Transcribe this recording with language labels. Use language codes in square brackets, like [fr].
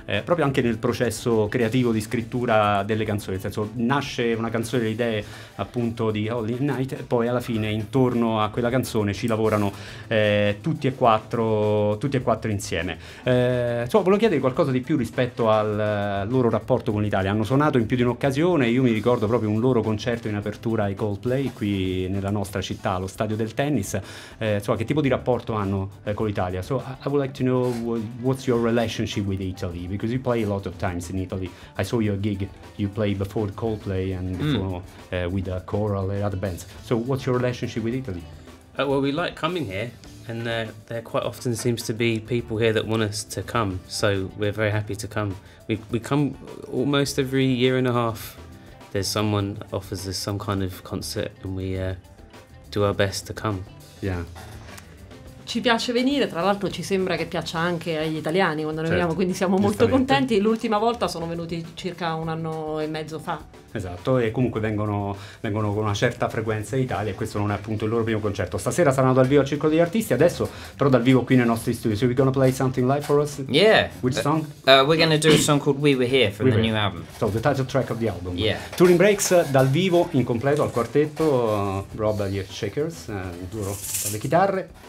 [it] Proprio anche nel processo creativo di scrittura delle canzoni, nel senso nasce una canzone, le idee appunto di Holy Night, e poi alla fine intorno a quella canzone ci lavorano tutti e quattro insieme. Insomma, volevo chiedere qualcosa di più rispetto al loro rapporto con l'Italia. Hanno suonato in più di un'occasione, io mi ricordo proprio un loro concerto in apertura ai Coldplay qui nella nostra città, allo stadio del tennis. Insomma, che tipo di rapporto hanno con l'Italia? [en] So I would like to know what's your relationship with Italy, because you play a lot of times in Italy. I saw your gig, you played before Coldplay and before with a choral and other bands. So what's your relationship with Italy? Well, we like coming here, and there quite often seems to be people here that want us to come, so we're very happy to come. We come almost every year and a half. There's someone offers us some kind of concert and we do our best to come. Yeah. [it] Ci piace venire, tra l'altro ci sembra che piaccia anche agli italiani quando noi veniamo, quindi siamo molto contenti. L'ultima volta sono venuti circa un anno e mezzo fa. Esatto, e comunque vengono con una certa frequenza in Italia, e questo non è appunto il loro primo concerto. Stasera saranno dal vivo al Circolo degli Artisti, adesso però dal vivo qui nei nostri studi. [en] So we're gonna play something live for us? Yeah. Which song? We're gonna do a song called We Were Here from the new album. So the title track of the album. Yeah. [it] Turin Brakes dal vivo in completo al quartetto, Rob agli shakers, duro alle chitarre.